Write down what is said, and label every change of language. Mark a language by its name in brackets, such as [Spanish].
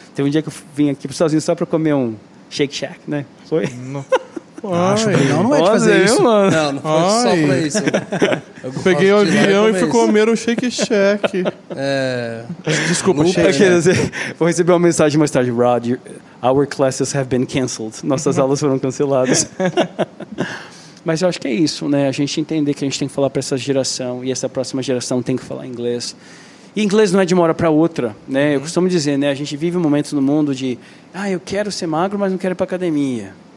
[Portuguese] Tem um dia que eu vim aqui para os Estados Unidos só para comer um Shake Shack, né? Foi? Não. Acho que não, não é de fazer isso. Mano. Não, não foi só pra isso. Eu peguei o avião e fui comer um Shake Shack. É... Desculpa, Shake Shack. Né? Vou receber uma mensagem mais tarde. [English] Rod, our classes have been canceled. [Portuguese] Nossas aulas foram canceladas. Mas eu acho que é isso, né? A gente entender que a gente tem que falar para essa geração e essa próxima geração tem que falar inglês. E inglês não é de uma hora para outra, né? Uhum. Eu costumo dizer, né? A gente vive um momento no mundo de eu quero ser magro, mas não quero ir pra academia.